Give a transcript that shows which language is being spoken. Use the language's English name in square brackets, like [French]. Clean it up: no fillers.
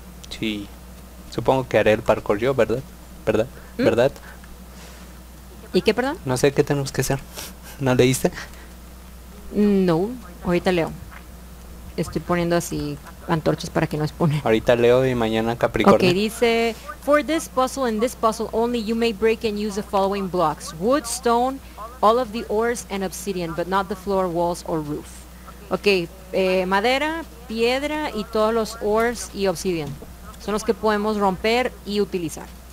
[Spanish] Sí. Supongo que haré el parkour yo, ¿verdad? ¿Verdad? ¿Mm? ¿Verdad? ¿Y qué, perdón? No sé qué tenemos que hacer. ¿No leíste? No. Ahorita leo. Estoy poniendo así antorchas para que no expone. Ahorita leo y mañana Capricornio. Ok, dice... [English] For this puzzle and this puzzle only, you may break and use the following blocks. Wood, stone, all of the ores and obsidian, but not the floor, walls or roof. [Spanish] Ok, madera, piedra y todos los ores y obsidian. Son los que podemos romper y utilizar.